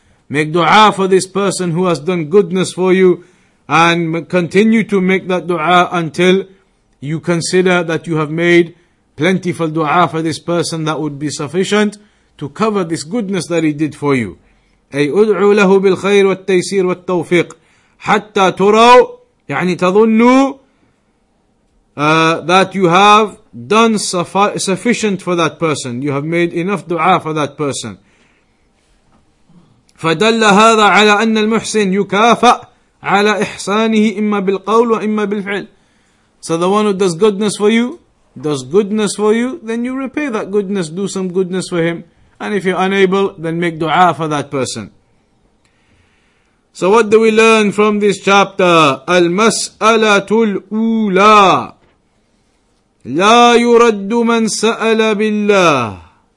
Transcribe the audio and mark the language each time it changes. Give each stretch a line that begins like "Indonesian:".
English: Make dua for this person who has done goodness for you, and continue to make that dua until you consider that you have made plentiful dua for this person that would be sufficient to cover this goodness that he did for you.
Arabic: أي أدعو له بالخير والتيسير والتوفيق حتى تروا يعني تظنوا
English: that you have done sufficient for that person. You have made enough dua for that person.
Arabic: فدل هذا على أن المحسن يكافأ على إحسانه إما بالقول وإما بالفعل.
English: So the one who does goodness for you, does goodness for you, then you repay that goodness, do some goodness for him. And if you're unable, then make dua for that person. So what do we learn from this chapter?
Arabic: Al-mas'alatu al-ula. La yuraddu man sa'ala billah.